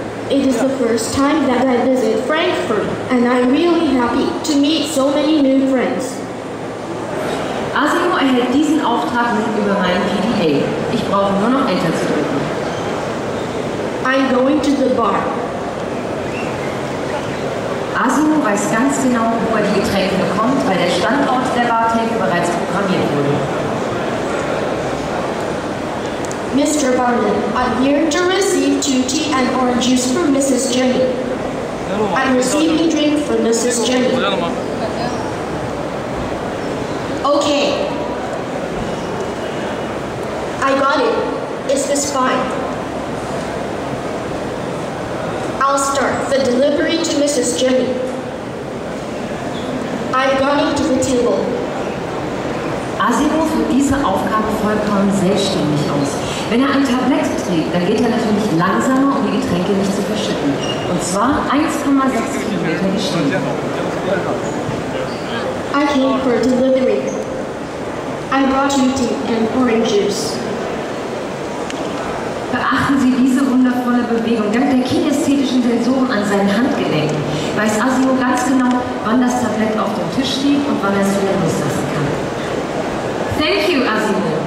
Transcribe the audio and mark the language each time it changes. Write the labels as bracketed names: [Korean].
[English] It is the first time that I visit Frankfurt, and I'm really happy to meet so many new friends. [German] Asimo erhält diesen Auftrag nun über mein PDA. Ich brauche nur noch Enter zu drücken. [English] I'm going to the bar. [German] Asimo weiß ganz genau, wo er die Getränke bekommt, weil der Standort der Bartheke bereits programmiert wurde. [English] Mr. Barnum, I'm here to receive two tea and orange juice for Mrs. Jenny. I'm receiving a drink for Mrs. Jenny. Okay. I got it. Is this fine? I'll start the delivery to Mrs. Jenny. I'm going to the table. [German] Asimo führt diese Aufgabe vollkommen selbstständig aus. Wenn er ein Tablett trägt, dann geht er natürlich langsamer, um die Getränke nicht zu verschütten. Und zwar 1,6 Kilometer die Stunde. [English] I came for delivery. I brought you tea and orange juice. [German] Beachten Sie diese wundervolle Bewegung dank der kinästhetischen Sensoren an seinen Handgelenken. Weiß Asimo ganz genau, wann das Tablett auf dem Tisch steht und wann er es wieder loslassen kann. [English] Thank you, Asimo.